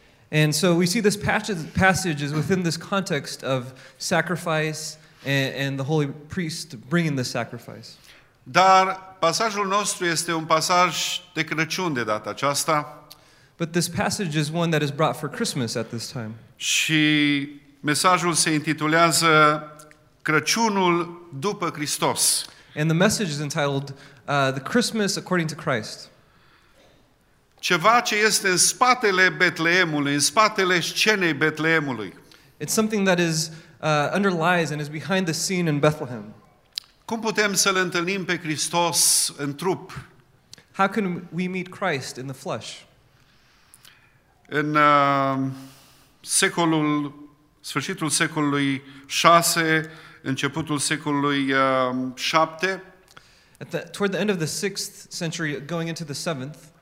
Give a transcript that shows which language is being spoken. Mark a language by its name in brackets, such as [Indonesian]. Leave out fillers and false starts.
[English] And so we see this passage is within this context of sacrifice and the holy priest bringing the sacrifice. [Romanian] Dar pasajul nostru este un pasaj de Crăciun de data aceasta. [English] But this passage is one that is brought for Christmas at this time. [Romanian] Și mesajul se intitulează Crăciunul după Hristos. [English] And the message is entitled The Christmas According to Christ. [Romanian] Ceva ce este în spatele Betleemului, în spatele scenei Betleemului. [English] It's something that is underlies and is behind the scene in Bethlehem. [Romanian] Cum putem să-l întâlnim pe Hristos în trup? [English] How can we meet Christ in the flesh? [Romanian] În secolul, sfârșitul secolului 6, începutul secolului 7, [English] toward the end of the 6th century, going into the 7th,